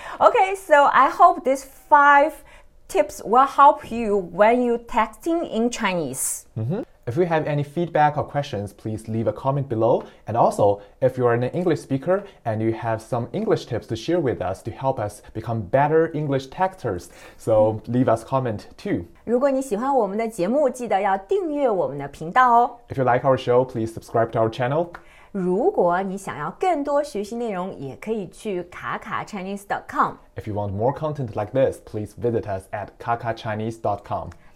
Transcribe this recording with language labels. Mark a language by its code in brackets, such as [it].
[en] Okay, so I hope these five tips will help you when you're texting in Chinese. If you have any feedback or questions, please leave a comment below. And also, if you are an English speaker and you have some English tips to share with us to help us become better English texters, so leave us a comment too. [zh] 如果你喜欢我们的节目，记得要订阅我们的频道哦。 [en] If you like our show, please subscribe to our channel. [zh] 如果你想要更多学习内容，也可以去kakachinese.com. [en] If you want more content like this, please visit us at kakachinese.com.